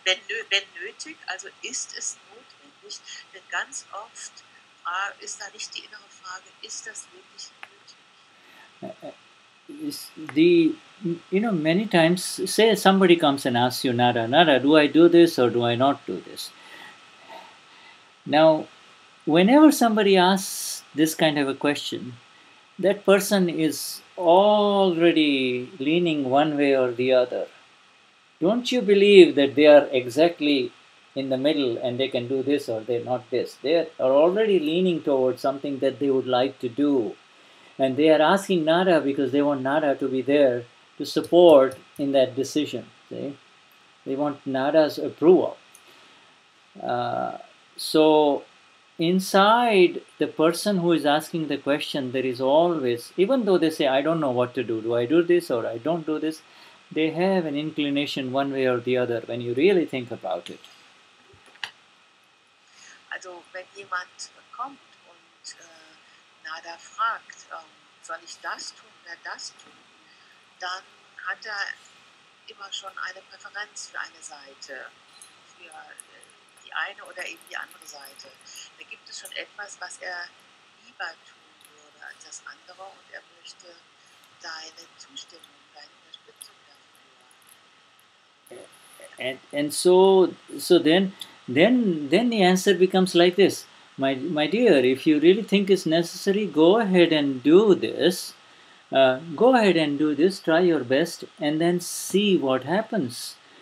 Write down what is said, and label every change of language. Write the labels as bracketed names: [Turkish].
[German] Wenn nötig, also ist es notwendig? Denn ganz oft ist da nicht die innere Frage, ist das wirklich nötig? [English] Many times, say somebody comes and asks you, Nara, Nara, do I do this or do I not do this? Now, whenever somebody asks this kind of a question, that person is already leaning one way or the other. Don't you believe that they are exactly in the middle and they can do this or they're not this? They are already leaning towards something that they would like to do. And they are asking Nara because they want Nara to be there to support in that decision. See? They want Nara's approval. So inside the person who is asking the question, there is always, even though they say, I don't know what to do I do this or I don't do this, they have an inclination one way or the other when you really think about it. [German] Also wenn jemand kommt und Nara fragt, soll ich das tun oder das tun, dann hat er immer schon eine Präferenz für eine Seite, für die eine oder eben die andere Seite. Da gibt es schon etwas, was er lieber tun würde als das andere, und er möchte deine Zustimmung, deine Unterstützung dafür. [English] And so then the answer becomes like this. My dear, if you really think it's necessary, go ahead and do this. Go ahead and do this, try your best, and then see what happens.